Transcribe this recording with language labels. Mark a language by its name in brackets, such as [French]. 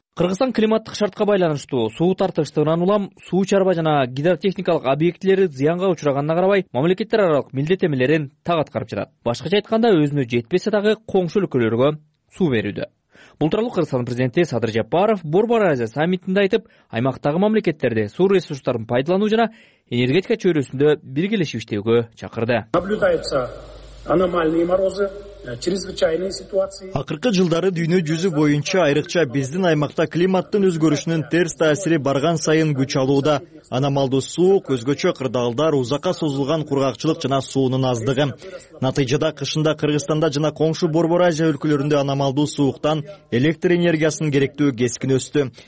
[Kyrgyz] Кыргызстан климаттык шартка байланыштуу суу тартыштыгынан улам суу чарба жана гидротехникалык объектилери зыянга учураганына карабай мамлекеттер аралык милдеттенмелерин так аткарып жатат. Башкача айтканда өзүнө жетпесе дагы коңшу өлкөлөргө суу берүүдө. Бул тууралуу Кыргызстан президенти Садыр Жапаров Борбор Азия саммитинде айтып, аймактагы мамлекеттерди суу ресурстарын пайдалануу жана энергетика чөйрөсүндө биргелешип иштөөгө чакырды. [Russian] Аномальные морозы, чрезвычайные ситуации. [Kyrgyz] Акыркы жылдары дүйнө жүзү боюнча айрыкча биздин аймакта климаттын өзгөрүшүнүн терс таасири барган сайын күч алууда. Аномалдуу суук, өзгөчө кырдаалдар, узакка созулган кургакчылык жана суунун аздыгы. Натыйжада кышында Кыргызстанда жана коңшу Борбор Азия өлкөлөрүндө аномалдуу сууктан электр энергиясын керектөө кескин өстү.